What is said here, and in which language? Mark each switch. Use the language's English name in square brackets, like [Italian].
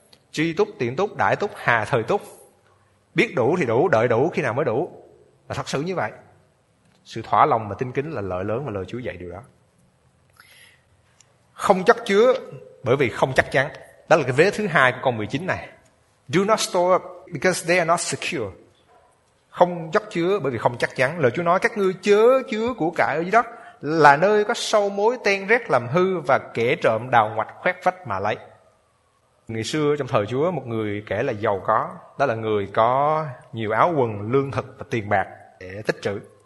[Vietnamese] Tri túc, tiện túc, đại túc, hà thời túc. Biết đủ thì đủ, đợi đủ khi nào mới đủ. Là thật sự như vậy. Sự thỏa lòng và tin kính là lợi lớn, và lời Chúa dạy điều đó. Không chất chứa bởi vì không chắc chắn. Đó là cái vế thứ hai của câu 19 này. [English] Do not store up because they are not secure. [Vietnamese] Không chất chứa bởi vì không chắc chắn. Lời Chúa nói các ngươi chớ chứa của cải ở dưới đất, là nơi có sâu mối ten rét làm hư và kẻ trộm đào ngoạch khoét vách mà lấy. Ngày xưa trong thời Chúa, một người kể là giàu có, đó là người có nhiều áo quần, lương thực và tiền bạc để tích trữ.